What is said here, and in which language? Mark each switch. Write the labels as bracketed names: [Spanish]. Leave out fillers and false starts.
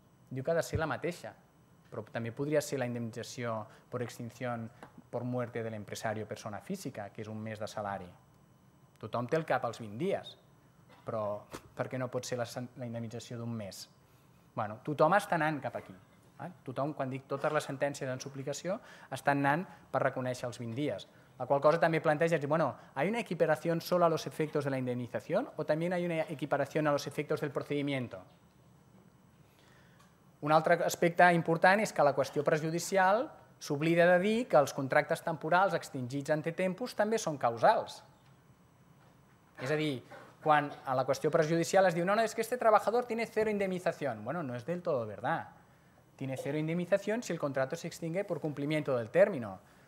[Catalan] Diu que ha de ser la mateixa, però també podria ser la indemnització per extinció per muerte de l'empresari o persona física, que és un mes de salari. Tothom té el cap als 20 dies, però per què no pot ser la indemnització d'un mes? Bueno, tothom està anant cap aquí. Tothom, quan dic totes les sentències en suplicació, estan anant per reconèixer els 20 dies. La qual cosa també planteja, [Spanish] bueno, ¿hay una equiparación solo a los efectos de la indemnización o también hay una equiparación a los efectos del procedimiento? [Catalan] Un altre aspecte important és que la qüestió prejudicial s'oblida de dir que els contractes temporals extingits ante tempus també són causals. És a dir, quan a la qüestió prejudicial es diu no, és que este treballador [Spanish] tiene zero [Catalan] indemnització. [Spanish] Bueno, no és del todo verdad. Tiene zero indemnització si el contrato se extingue por cumplimiento del término.